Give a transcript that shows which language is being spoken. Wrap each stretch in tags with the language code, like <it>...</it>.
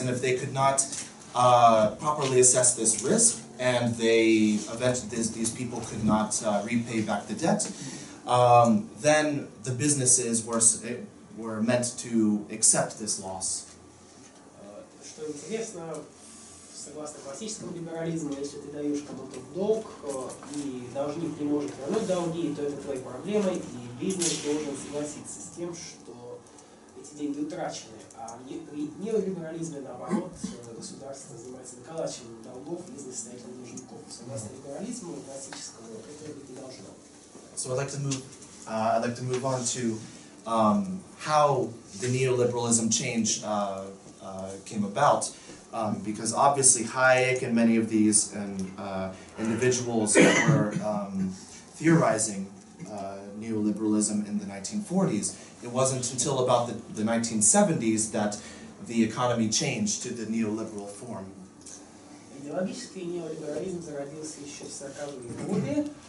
<en>And if they could not properly assess this risk, and they eventually these people could not repay back the debt. Then the businesses were meant to accept this loss.</en> <ru>Что интересно, согласно классическому либерализму, если ты даешь кому-то в долг, и должник не может вернуть долги, то это твои проблемы, и бизнес должен согласиться с тем, что эти деньги утрачены. А при неолиберализме, наоборот, государство занимается выколачиванием долгов и несостоятельных должников. Согласно либерализму классическому, этого быть не должно.</ru> <en>So I'd like to move on to how the neoliberalism change came about, because obviously Hayek and many of these individuals were theorizing neoliberalism in the 1940s. It wasn't until about the 1970s that the economy changed to the neoliberal form.</en> <ru>Идеологический неолиберализм зародился еще в 40-е годы.</ru>